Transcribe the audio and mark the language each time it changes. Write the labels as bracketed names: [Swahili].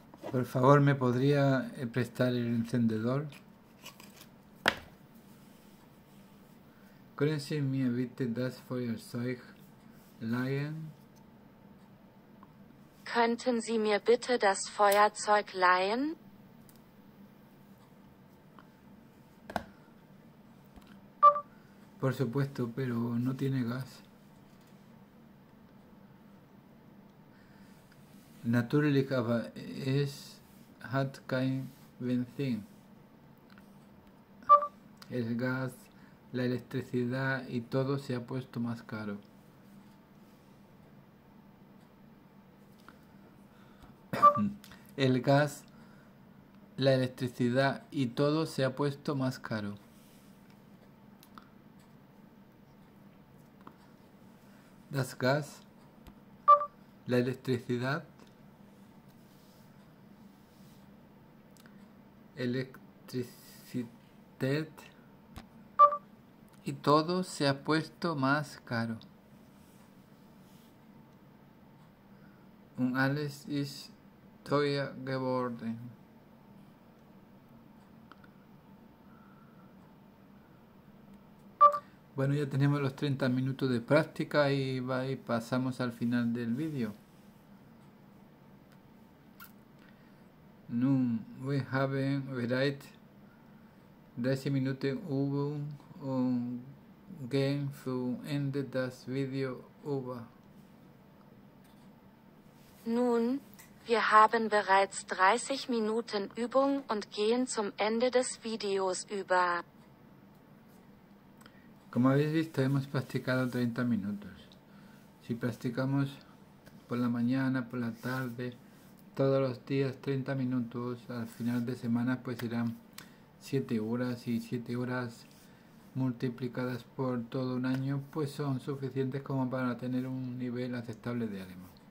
[Spanish] Por favor, ¿me podría prestar el encendedor? [German] Können Sie mir bitte das Feuerzeug leihen? Könnten Sie mir bitte das Feuerzeug leihen? [Spanish] Por supuesto, pero no tiene gas. [German] Natürlich, aber es hat kein Benzin. [Spanish] El gas, la electricidad y todo se ha puesto más caro. El gas, la electricidad y todo se ha puesto más caro. [German] Das Gas, [Spanish] la electricidad, electricidad. Y todo se ha puesto más caro. [German] Und alles ist teuer geworden. [Spanish] Bueno, ya tenemos los 30 minutos de práctica y va y pasamos al final del vídeo. [German] Nun, wir haben bereits 30 Minuten Übung und gehen zu Ende das Video über. Nun, wir haben bereits 30 Minuten Übung und gehen zum Ende des Videos über. [Spanish] Como habéis visto, hemos practicado 30 minutos. Si practicamos por la mañana, por la tarde, todos los días 30 minutos, al final de semana pues serán 7 horas y 7 horas multiplicadas por todo un año pues son suficientes como para tener un nivel aceptable de alemán.